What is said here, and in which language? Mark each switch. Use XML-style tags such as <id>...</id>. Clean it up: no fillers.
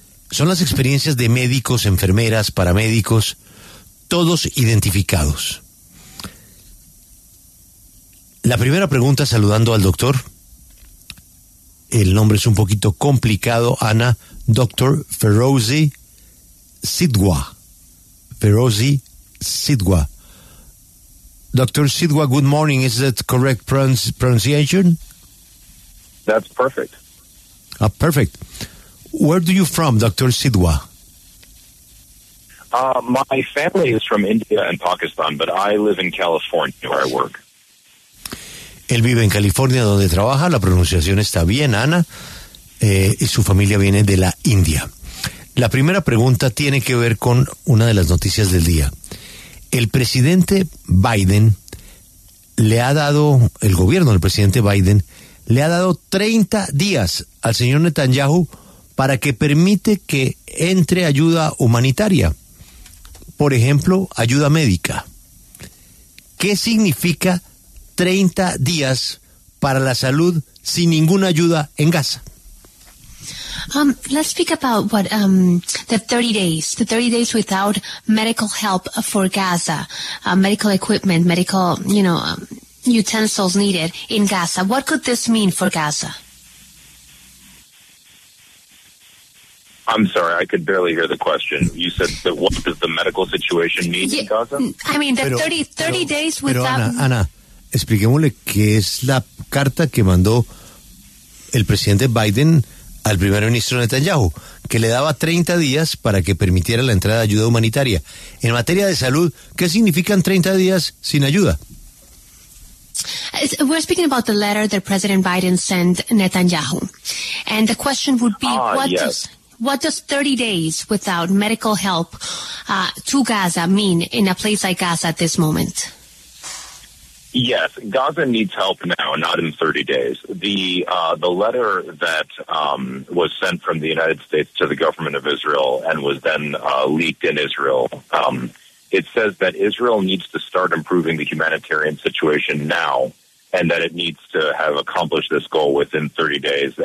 <es>Son las experiencias de médicos, enfermeras, paramédicos, todos identificados. La primera pregunta, saludando al doctor, el nombre es un poquito complicado, Ana, doctor Ferozi Sidwa. Ferozi Sidwa.</es> <en>Doctor Sidwa, good morning. Is that correct pronunciation? That's perfect. Perfect. Where do you from, Dr. Sidwa? My family is from India and Pakistan, but I live in California, where I work.</en> <es>Él vive en California, donde trabaja. La pronunciación está bien, Ana. Y su familia viene de la India. La primera pregunta tiene que ver con una de las noticias del día. El presidente Biden le ha dado, el gobierno del presidente Biden, le ha dado 30 días al señor Netanyahu para que permite que entre ayuda humanitaria, por ejemplo, ayuda médica. ¿Qué significa 30 días para la salud sin ninguna ayuda en Gaza?</es> <en>Let's speak about what the 30 days without medical help for Gaza, medical equipment, medical, you know, utensils needed in Gaza. What could this mean for Gaza? I'm sorry, I could barely hear the question. You said that what does the medical situation need in Gaza? I mean, the 30 days without...</en> <es>Ana, expliquémosle qué es la carta que mandó el presidente Biden al primer ministro Netanyahu, que le daba 30 días para que permitiera la entrada de ayuda humanitaria. En materia de salud, ¿qué significan 30 días sin ayuda?</es> <en>We're speaking about the letter that President Biden sent Netanyahu. And the question would be, what does 30 days without medical help to Gaza mean in a place like Gaza at this moment? Yes, Gaza needs help now, not in 30 days. The letter that was sent from the United States to the government of Israel and was then leaked in Israel, it says that Israel needs to start improving the humanitarian situation now and that it needs to have accomplished this goal within 30 days.</en>